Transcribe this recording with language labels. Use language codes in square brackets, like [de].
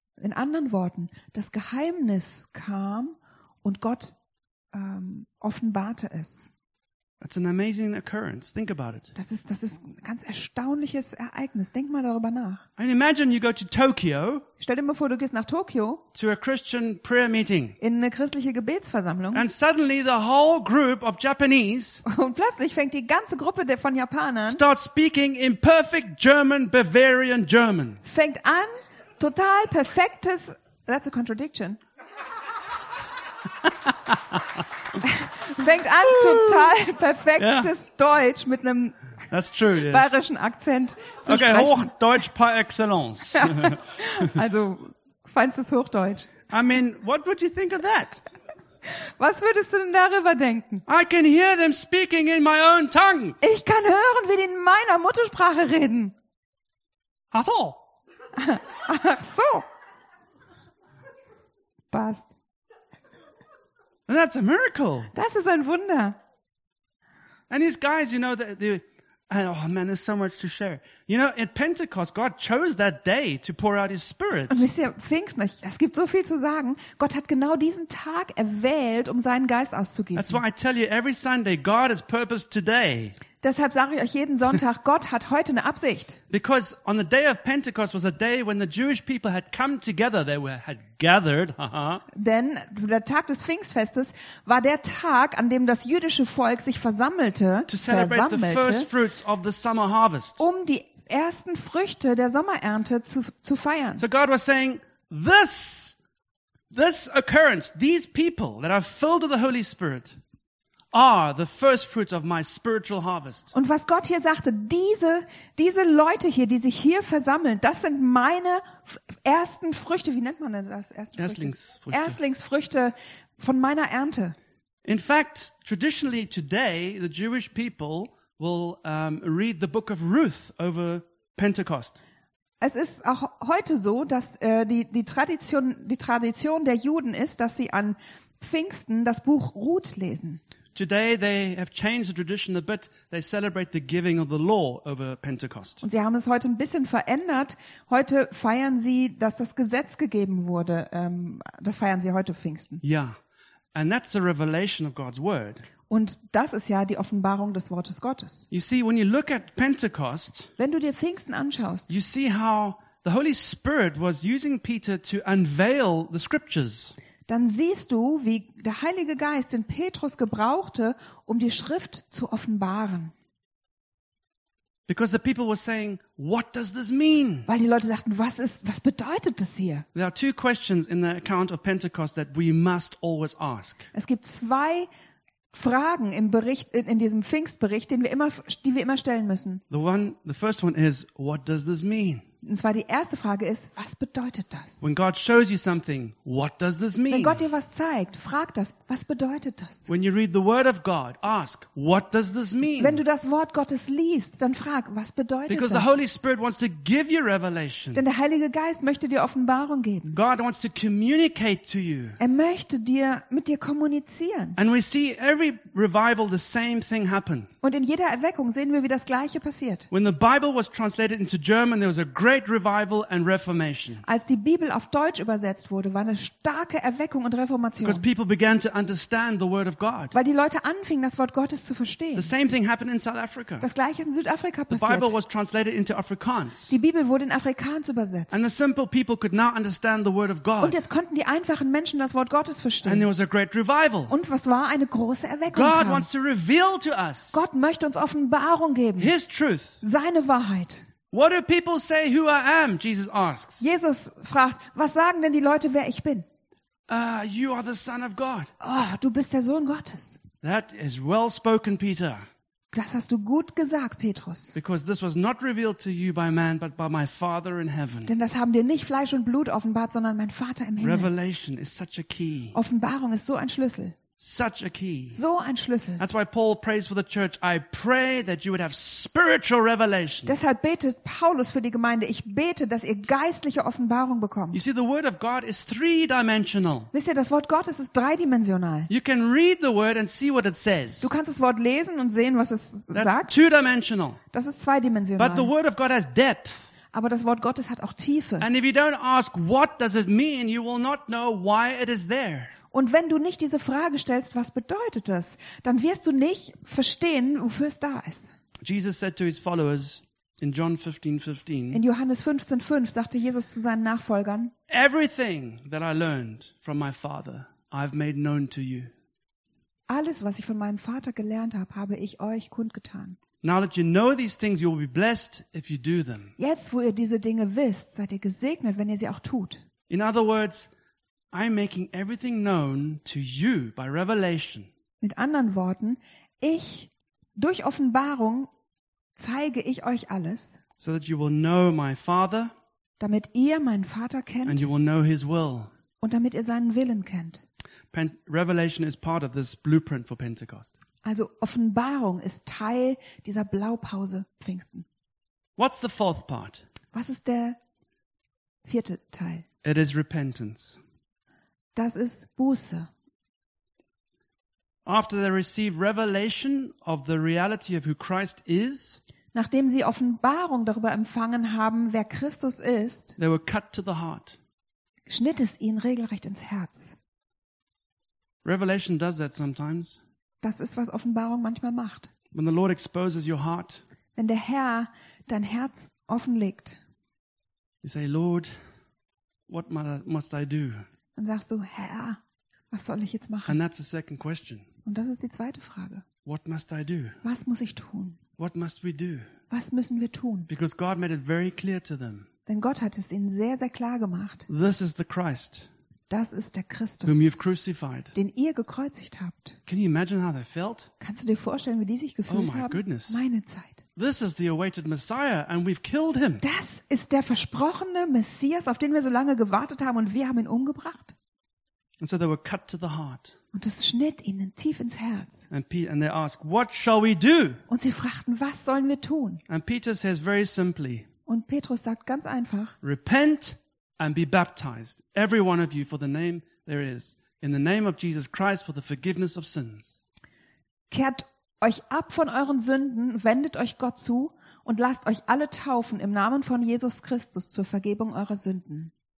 [de] In anderen Worten, das Geheimnis kam und Gott offenbarte es. [en] That's an amazing occurrence. Think about it. [de] Das ist ein ganz erstaunliches Ereignis. Denk mal darüber nach. [en] I mean, imagine you go to Tokyo. [de] Stell dir mal vor, du gehst nach Tokio. [en] To a Christian prayer meeting. [de] In eine christliche Gebetsversammlung. [en] And suddenly the whole group of Japanese. [de] Und plötzlich fängt die ganze Gruppe von Japanern. [en] Start speaking in perfect German, Bavarian German. [de] Fängt an, total perfektes. [en] That's a contradiction. [de] Fängt an, total perfektes Deutsch mit einem bayerischen Akzent zu sprechen. [en] Okay, Hochdeutsch par excellence. [de] Also, feinstes Hochdeutsch. [en] I mean, what would you think of that? [de] Was würdest du denn darüber denken? [en] I can hear them speaking in my own tongue. [de] Ich kann hören, wie die in meiner Muttersprache reden. Ach so. Ach so. Passt. [en] And that's a miracle. [de] Das ist ein Wunder. [en] And these guys, you know, there's so much to share. You know, at Pentecost, God chose that day to pour out His Spirit. [de] Und wisst ihr, Pfingsten, es gibt so viel zu sagen. Gott hat genau diesen Tag erwählt, um seinen Geist auszugießen. [en] That's why I tell you every Sunday, God has purpose today. [de] Deshalb sage ich euch jeden Sonntag, Gott hat heute eine Absicht. [en] Because on the day of Pentecost was a day when the Jewish people had come together, they had gathered. [de] Denn der Tag des Pfingstfestes war der Tag, an dem das jüdische Volk sich versammelte, [en] the first fruits of the summer harvest. [de] Um die ersten Früchte der Sommerernte zu feiern. [en] So God was saying, this occurrence, these people that are filled with the Holy Spirit, are the first fruits of my spiritual harvest. [de] Und was Gott hier sagte, diese Leute hier, die sich hier versammeln, das sind meine ersten Früchte. Wie nennt man denn das? Erstlingsfrüchte von meiner Ernte. [en] In fact, traditionally today, the Jewish people will read the book of Ruth over Pentecost. [de] Es ist auch heute so, dass die Tradition der Juden ist, dass sie an Pfingsten das Buch Ruth lesen. [en] Today they have changed the tradition a bit. They celebrate the giving of the law over Pentecost. [de] Und sie haben es heute ein bisschen verändert. Heute feiern sie, dass das Gesetz gegeben wurde. Das feiern sie heute Pfingsten. [en] Yeah. And that's a revelation of God's word. [de] Und das ist ja die Offenbarung des Wortes Gottes. [en] You see, when you look at Pentecost, [de] wenn du dir Pfingsten anschaust, [en] you see how the Holy Spirit was using Peter to unveil the scriptures. [de] Dann siehst du, wie der Heilige Geist den Petrus gebrauchte, um die Schrift zu offenbaren. [en] Because the people were saying, what does this mean? [de] Weil die Leute sagten, was bedeutet das hier? [en] There are two questions in the account of Pentecost that we must always ask. [de] Es gibt zwei Fragen im Bericht, in diesem Pfingstbericht, die wir immer stellen müssen. [en] The first one is, what does this mean? [de] Und zwar die erste Frage ist, was bedeutet das? [en] When God shows you something, what does this mean? [de] Wenn Gott dir was zeigt, frag das, was bedeutet das? [en] When you read the word of God, ask, what does this mean? [de] Wenn du das Wort Gottes liest, dann frag, was bedeutet [en] Because [de] das? [en] The Holy Spirit wants to give you revelation. [de] Denn der Heilige Geist möchte dir Offenbarung geben. [en] God wants to communicate to you. [de] Er möchte dir mit dir kommunizieren. [en] And we see every revival the same thing happen. [de] Und in jeder Erweckung sehen wir, wie das gleiche passiert. [en] When the Bible was translated into German, there was a great revival and reformation. [de] Als die Bibel auf Deutsch übersetzt wurde, war eine starke Erweckung und Reformation. [en] Because people began to understand the word of God. [de] Weil die Leute anfingen, das Wort Gottes zu verstehen. [en] The same thing happened in South Africa. [de] Das gleiche ist in Südafrika passiert. [en] The Bible was translated into Afrikaans. [de] Die Bibel wurde in Afrikaans übersetzt. [en] And the simple people could now understand the word of God. [de] Und jetzt konnten die einfachen Menschen das Wort Gottes verstehen. [en] And there was a great revival. [de] Und was war eine große Erweckung? [en] God [de] kam. [en] Wants to reveal to us. [de] Gott möchte uns Offenbarung geben. [en] His truth. [de] Seine Wahrheit. [en] What do people say who I am? Jesus asks. [de] Jesus fragt, was sagen denn die Leute, wer ich bin? [en] You are the Son of God. [de] Oh, du bist der Sohn Gottes. [en] That is well spoken, Peter. [de] Das hast du gut gesagt, Petrus. [en] Because this was not revealed to you by man, but by my Father in heaven. [de] Denn das haben dir nicht Fleisch und Blut offenbart, sondern mein Vater im Himmel. [en] Revelation is such a key. [de] Offenbarung ist so ein Schlüssel. [en] Such a key. [de] So ein Schlüssel. [en] That's why Paul prays for the church. I pray that you would have spiritual revelation. [de] Deshalb betet Paulus für die Gemeinde. Ich bete, dass ihr geistliche Offenbarung bekommt. [en] You see, the word of God is three-dimensional. [de] Wisst ihr, das Wort Gottes ist dreidimensional. [en] You can read the word and see what it says. [de] Du kannst das Wort lesen und sehen, was es [en] That's [de] sagt. [en] That's two-dimensional. [de] Das ist zweidimensional. [en] But the word of God has depth. [de] Aber das Wort Gottes hat auch Tiefe. [en] And if you don't ask what does it mean, you will not know why it is there. [de] Und wenn du nicht diese Frage stellst, was bedeutet das, dann wirst du nicht verstehen, wofür es da ist. [en] Jesus said to his followers in John 15:15. [de] In Johannes 15:5 sagte Jesus zu seinen Nachfolgern: [en] Everything that I learned from my Father, I've made known to you. [de] Alles, was ich von meinem Vater gelernt habe, habe ich euch kundgetan. [en] Now that you know these things, you will be blessed if you do them. [de] Jetzt, wo ihr diese Dinge wisst, seid ihr gesegnet, wenn ihr sie auch tut. [en] In other words, I'm making everything known to you by revelation. [de] Mit anderen Worten, ich durch Offenbarung zeige ich euch alles. [en] So that you will know my Father. [de] Damit ihr meinen Vater kennt. [en] And you will know his will. [de] Und damit ihr seinen Willen kennt. [en] Revelation is part of this blueprint for Pentecost. [de] Also Offenbarung ist Teil dieser Blaupause Pfingsten. [en] What's the fourth part? [de] Was ist der vierte Teil? [en] It is repentance. [de] Das ist Buße. [en] After they receive revelation of the reality of who Christ is, [de] nachdem sie Offenbarung darüber empfangen haben, wer Christus ist, [en] they were cut to the heart. [de] Schnitt es ihnen regelrecht ins Herz. [en] Revelation does that sometimes. [de] Das ist, was Offenbarung manchmal macht. [en] When the Lord exposes your heart, [de] wenn der Herr dein Herz offenlegt, [en] you say, Lord, what must I do? [de] Dann sagst du, Herr, was soll ich jetzt machen? [en] And that's the second question. [de] Und das ist die zweite Frage. [en] What must I do? [de] Was muss ich tun? [en] What must we do? [de] Was müssen wir tun? [en] Because God made it very clear to them. [de] Denn Gott hat es ihnen sehr, sehr klar gemacht. [en] This is the Christ. [de] Das ist der Christus, [en] whom you've crucified. [de] Den ihr gekreuzigt habt. [en] Can you imagine how they felt? [de] Kannst du dir vorstellen, wie die sich gefühlt haben? [en] Oh my goodness. [de] Meine Zeit. [en] This is the awaited Messiah and we've killed him. [de] Das ist der versprochene Messias, auf den wir so lange gewartet haben und wir haben ihn umgebracht. [en] And so they were cut to the heart. [de] Und das schnitt ihnen tief ins Herz. [en] And they ask, what shall we do? [de] Und sie fragten, was sollen wir tun? [en] And Peter says very simply. [de] Und Petrus sagt ganz einfach. [en] Repent and be baptized every one of you for the name there is in the name of Jesus Christ for the forgiveness of sins. [de] Kehrt euch ab von euren Sünden, wendet euch Gott zu und lasst euch alle taufen im Namen von Jesus Christus zur Vergebung eurer Sünden.